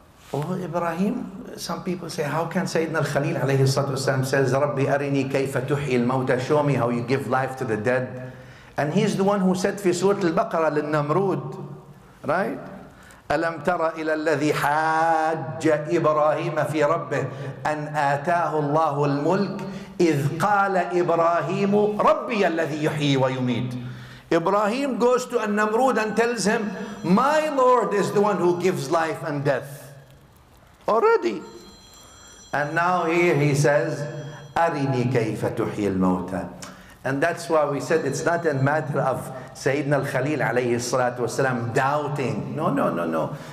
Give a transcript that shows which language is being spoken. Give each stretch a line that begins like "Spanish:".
English: Oh, Ibrahim, some people say, how can Sayyidina al-Khalil
Arabic: alayhi salatu wasalam
English: says,
Arabic: Rabbi arini kayfa tuhyi al-mawta,
English: show me how you give life to the dead. And he's the one who said
Arabic: في سورة البقرة للنمرود,
English: right?
Arabic: ألم ترى إلى الذي حاج إبراهيم في ربه أن آتاه الله الملك إذ قال إبراهيم ربي الذي يحيي ويميت.
English: Ibrahim goes to النمرود and tells him, my Lord is the one who gives life and death. Already. And now here he says,
Arabic: أرني كيف تحيي الموتى.
English: And that's why we said it's not a matter of Sayyidina al-Khalil
Arabic: alayhi salatu wasalam
English: doubting. No.